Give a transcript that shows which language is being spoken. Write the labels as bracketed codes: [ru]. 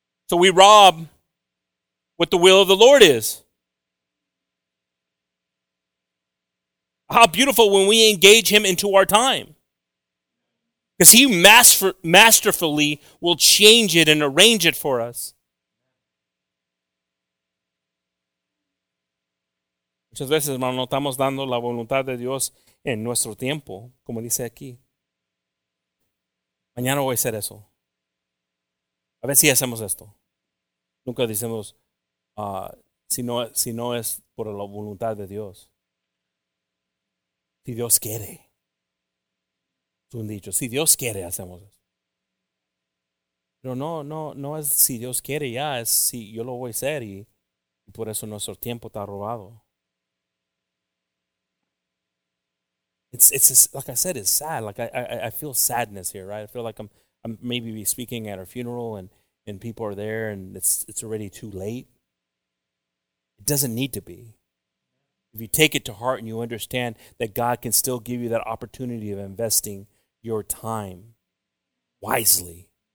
[en] So we rob what the will of the Lord is. How beautiful when we engage Him into our time. Because He masterfully will change it and arrange it for us. [es] Muchas veces, hermano, no estamos dando la voluntad de Dios en nuestro tiempo, como dice aquí. Mañana voy a hacer eso. A ver si hacemos esto. Nunca decimos, si no es por la voluntad de Dios. Si Dios quiere. Es un dicho. Si Dios quiere, hacemos eso. Pero no es si Dios quiere ya, es si yo lo voy a hacer y por eso nuestro tiempo está robado. [en] It's like I said, it's sad. Like I feel sadness here, right? I feel like I'm maybe be speaking at a funeral and people are there and it's already too late. It doesn't need to be. If you take it to heart and you understand that God can still give you that opportunity of investing your time wisely.